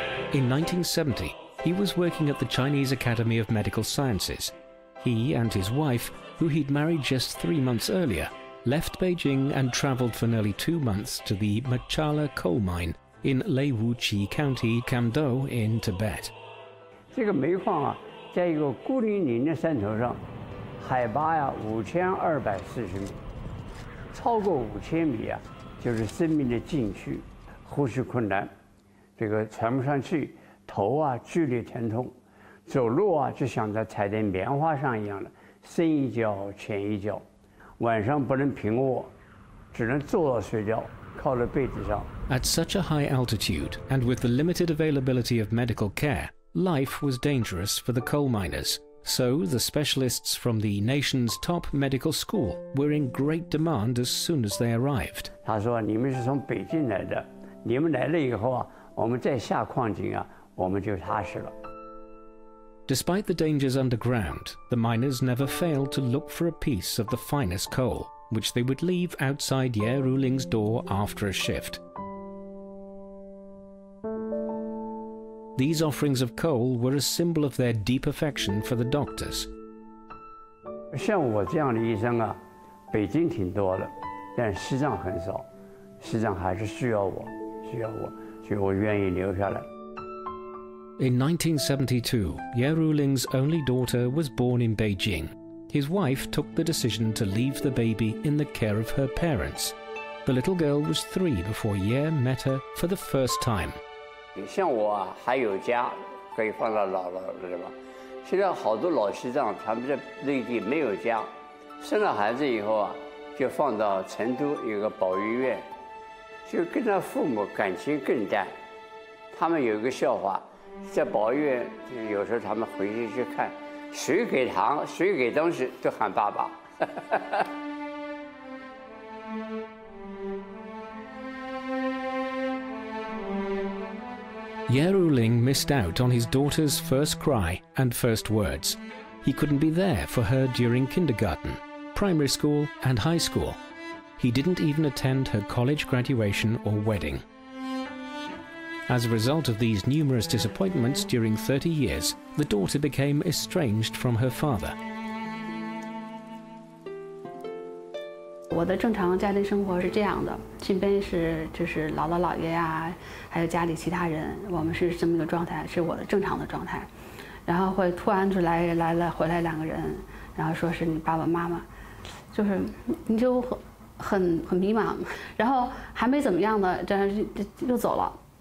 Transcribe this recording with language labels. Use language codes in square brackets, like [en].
[en] In 1970, he was working at the Chinese Academy of Medical Sciences. He and his wife, who he'd married just 3 months earlier, left Beijing and traveled for nearly 2 months to the Machala coal mine in Lei Wuchi County, Kamdo in Tibet. [zh] 这个煤矿啊，在一个孤零零的山头上，海拔呀5240米，超过5000米啊，就是生命的禁区，呼吸困难，这个喘不上气，头啊剧烈疼痛，走路啊，就像在踩在棉花上一样的，深一脚浅一脚。晚上不能平卧，只能坐着睡觉，靠在被子上。 [en] At such a high altitude and with the limited availability of medical care, life was dangerous for the coal miners. So the specialists from the nation's top medical school were in great demand as soon as they arrived. [zh] 他说：“你们是从北京来的，你们来了以后啊，我们再下矿井啊，我们就踏实了。” [en] Despite the dangers underground, the miners never failed to look for a piece of the finest coal, which they would leave outside Ye Ruling's door after a shift. These offerings of coal were a symbol of their deep affection for the doctors. [zh] 像我这样的医生啊，北京挺多的，但西藏很少，西藏还是需要我，需要我，所以我愿意留下来。 [en] In 1972, Ye Ruling's only daughter was born in Beijing. His wife took the decision to leave the baby in the care of her parents. The little girl was three before Ye met her for the first time. [zh] 像我还有家可以放到姥姥那里吧。现在好多老西藏他们在内地没有家，生了孩子以后啊，就放到成都一个保育院，就跟他父母感情更淡。他们有一个笑话。在保育院，有时候他们回去去看，谁给糖，谁给东西，都喊爸爸。 [en] Ye Ruling missed out on his daughter's first cry and first words. He couldn't be there for her during kindergarten, primary school, and high school. He didn't even attend her college graduation or wedding. As a result of these numerous disappointments during 30 years, the daughter became estranged from her father. [zh] 我的正常家庭生活是这样的，身边是就是姥姥姥爷呀，还有家里其他人，我们是这么一个状态，是我的正常的状态。然后会突然就来了回来两个人，然后说是你爸爸妈妈，就是你就很迷茫，然后还没怎么样的，这样就走了。